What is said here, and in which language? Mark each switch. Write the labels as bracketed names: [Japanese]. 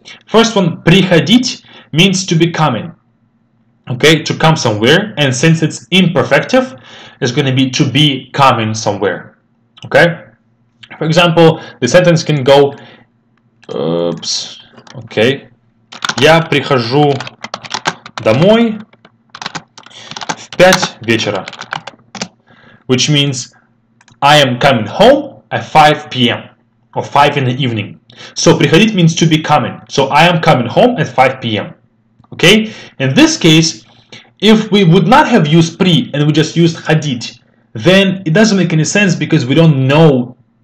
[English] First one, приходить, means to be coming. Okay, to come somewhere, and since it's imperfective, it's gonna be to be coming somewhere. Okay? For example, the sentence can go, oops, okay. [Russian] Я прихожу домой в 5 вечера. [English] Which means, I am coming home at 5 p.m. or 5 in the evening. So, приходить means to be coming. So, I am coming home at 5 p.m. Okay? In this case, if we would not have used при and we just used ходить, then it doesn't make any sense because we don't know.